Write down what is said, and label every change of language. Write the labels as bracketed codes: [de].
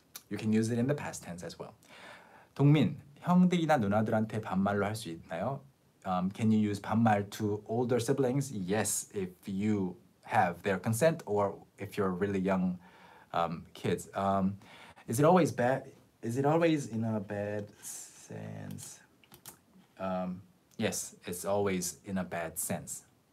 [en] You can use it in the past tense as well. [ko] 동민, 형들이나 누나들한테 반말로 할 수 있나요? [en] Can you use 반말 to older siblings? Yes, if you have their consent or if you're really young kids. Is it always in a bad sense? Yes, it's always in a bad sense.